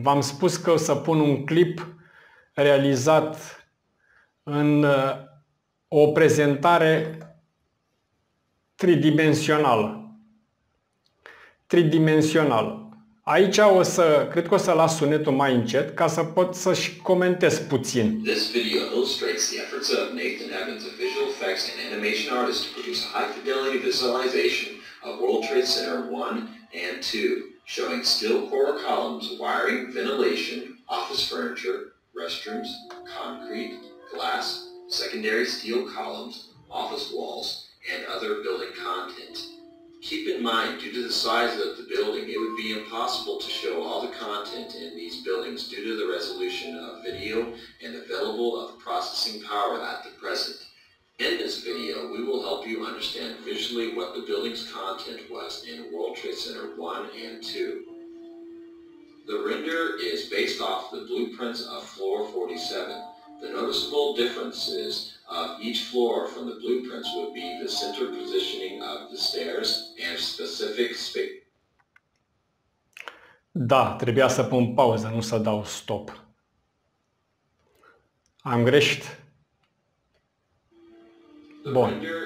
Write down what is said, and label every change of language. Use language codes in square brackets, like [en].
[ro] V-am spus că o să pun un clip realizat în o prezentare tridimensional. Tridimensional. Aici o să, cred că o să las sunetul mai încet ca să pot să-și comentez puțin. [en] This video illustrates the efforts of Nathan Evans, a visual effects and animation artist, to produce a high fidelity visualization of World Trade Center 1 and 2, showing steel core columns, wiring, ventilation, office furniture, restrooms, concrete, glass, secondary steel columns, office walls, and other building content. Keep in mind, due to the size of the building, it would be impossible to show all the content in these buildings due to the resolution of video and available of processing power at the present. In this video, we will help you understand visually what the building's content was in World Trade Center 1 and 2. The render is based off the blueprints of Floor 47. The noticeable differences of each floor from the blueprints would be the center positioning of the stairs and specific space. [ro] Da, trebuia să pun pauză, nu să dau stop. Am greșit. Bun.